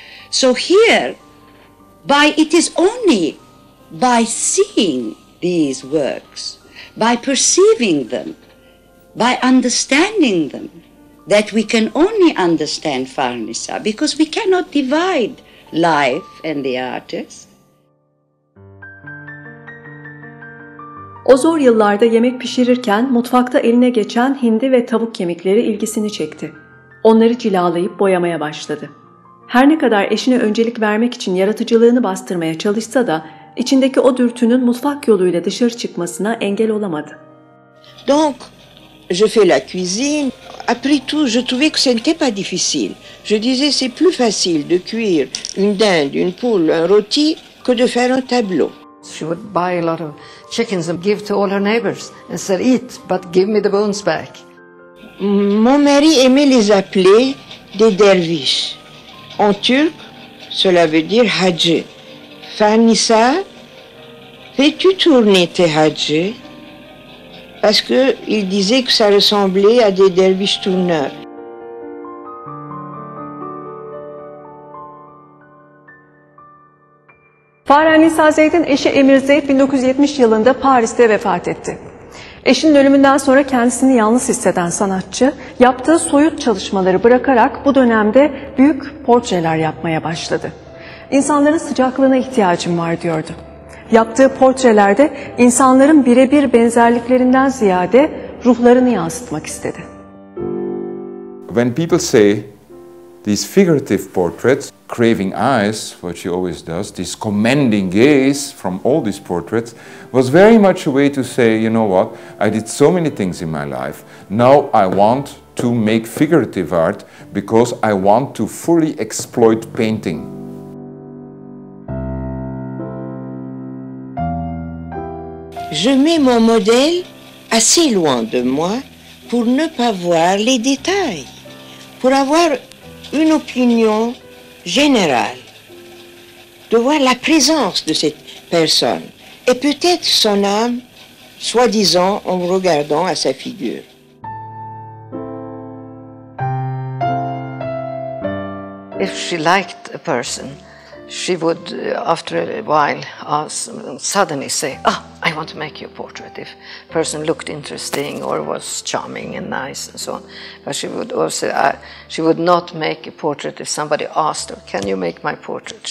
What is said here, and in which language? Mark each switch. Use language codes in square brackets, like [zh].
[en] So here, it is only by seeing these works, by perceiving them, by understanding them, that we can only understand Farnisa, because we cannot divide life and the artist. [tr] O zor yıllarda yemek pişirirken mutfakta eline geçen hindi ve tavuk kemikleri ilgisini çekti. Onları cilalayıp boyamaya başladı. Her ne kadar eşine öncelik vermek için yaratıcılığını bastırmaya çalışsa da içindeki o dürtünün mutfak yoluyla dışarı çıkmasına engel olamadı. [fr] Donc, je fais la cuisine. Après tout, je trouvais que ce n'était pas difficile. Je disais c'est plus facile de cuire une dinde, une poule, un rôti que de faire un tableau. [en] She would buy a lot of chickens and give to all her neighbors and said, eat, but give me the bones back. [fr] Mon mari aimait les appeler des derviches. En turc, cela veut dire hacı. Farnisa, fais-tu tourner tes hacı? Parce qu'il disait que ça ressemblait à des derviches tourneurs. [tr] Farhanisa Zeyd'in eşi Emir Zeyd 1970 yılında Paris'te vefat etti. Eşinin ölümünden sonra kendisini yalnız hisseden sanatçı, yaptığı soyut çalışmaları bırakarak bu dönemde büyük portreler yapmaya başladı. İnsanların sıcaklığına ihtiyacım var diyordu. Yaptığı portrelerde insanların birebir benzerliklerinden ziyade ruhlarını yansıtmak istedi. [en] When people say these figurative portraits, craving eyes, what she always does, this commanding gaze from all these portraits, was very much a way to say, you know what, I did so many things in my life, now I want to make figurative art because I want to fully exploit painting. [fr] Je mets mon modèle assez loin de moi pour ne pas voir les détails, pour avoir une opinion générale, de voir la présence de cette personne et peut-être son âme, soi-disant en regardant à sa figure. [en] If she liked a person, she would, after a while, suddenly say, "Oh, I want to make you a portrait." If a person looked interesting or was charming and nice and so on, but she would also she would not make a portrait if somebody asked her, "Can you make my portrait?"